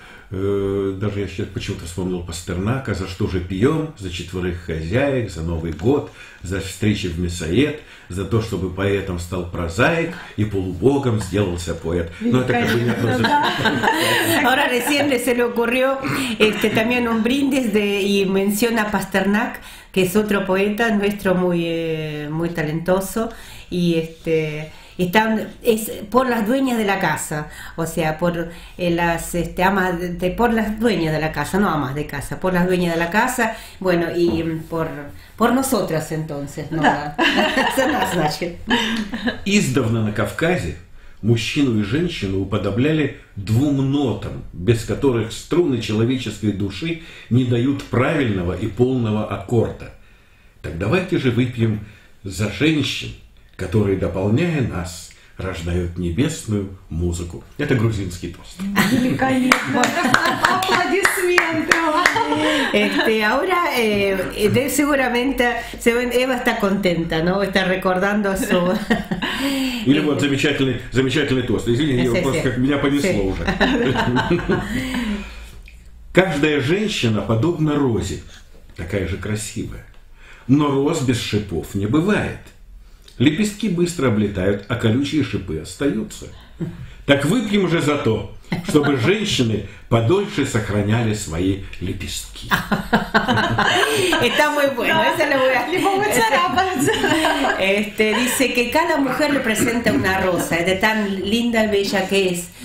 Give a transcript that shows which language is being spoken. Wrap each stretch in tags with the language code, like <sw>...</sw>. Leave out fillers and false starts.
<ru>Даже я сейчас почему-то вспомнил Пастернака, за что же пьем, за четверых хозяек, за Новый год, за встречи в Мясоед, за то, чтобы поэтом стал прозаик и полубогом сделался поэт. Ну, это как бы не то, что...</ru> <es>Ahora recién se le ocurrió también un brindis y menciona Pastернак, que es otro poeta nuestro muy talentoso, y están, es por las dueñas de la casa, o sea, por las amas de, por las dueñas de la casa, no amas de casa, por las dueñas de la casa, bueno, y por nosotras entonces, ¿no?</es> <ru>Да. Нас, значит. Издавна на Кавказе мужчину и женщину уподобляли двум нотам, без которых струны человеческой души не дают правильного и полного аккорда. Так давайте же выпьем за женщин, которые, дополняя нас, рождают небесную музыку. Это грузинский тост. Великолепно! Аплодисменты!</ru> <es>Ahora, seguramente, Eva está contenta, ¿no? Está recordando su...</es> <ru>Или вот замечательный тост. Извините, я просто как меня понесло уже. Каждая женщина подобна розе, такая же красивая. Но роз без шипов не бывает. Лепестки быстро облетают, а колючие шипы остаются. Так выпьем же за то, чтобы женщины подольше сохраняли свои лепестки.</ru> <es>Está muy bueno, esa le voy a... Le pongo charapas. Dice que cada mujer representa una rosa, de tan linda y bella que es.</es>